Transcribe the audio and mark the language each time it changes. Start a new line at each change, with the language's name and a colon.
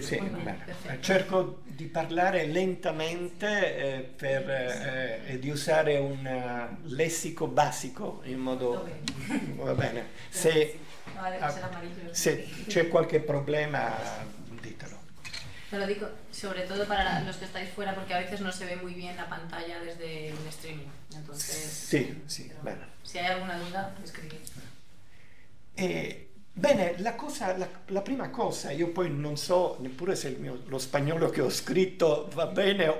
Italian: sì, bene. Cerco di parlare lentamente e di usare un lessico basico in modo... Okay. Va bene. Se, se c'è qualche problema, ditelo.
Spanish: Te lo dico, sobre todo para los que estáis fuera, porque a veces no se ve muy bien la pantalla desde un streaming. Entonces, sí, sí, bueno. Si hay alguna duda, escribí.
Italian: Bene, la prima cosa, io poi non so neppure se lo spagnolo che ho scritto va bene o...